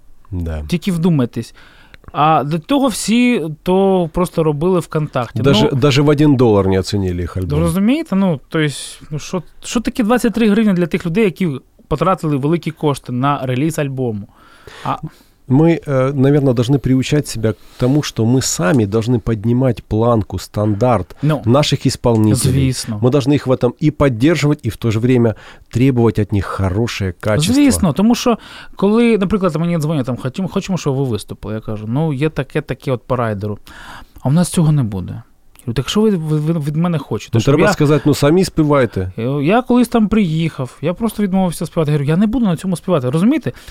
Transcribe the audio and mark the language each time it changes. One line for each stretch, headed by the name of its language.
Ukrainian: Да. Тільки вдумайтесь. А до того всі то просто робили ВКонтакті. Даже в 1 долар не оцінили їх альбом. Розумієте? Ну, то есть, ну, що таке 23 гривні для тих людей, які потратили великі кошти на реліз альбому? А...
Russian: Мы, наверное, должны приучать себя к тому, что мы сами должны поднимать планку, стандарт наших исполнителей.
Ukrainian: Звісно.
Russian: Мы должны их в этом и поддерживать, и в то же время требовать от них хорошее качество.
Ukrainian: Звісно, тому що, коли, наприклад, мені дзвонять, там, хочемо, щоб ви виступили, я кажу, ну, є таке-таке от по райдеру, а у нас цього не буде. Так що ви від мене хочете? Ну, треба сказати, ну самі співайте. Я колись там приїхав, я просто відмовився співати. Я говорю, я не буду на цьому співати. Розумієте?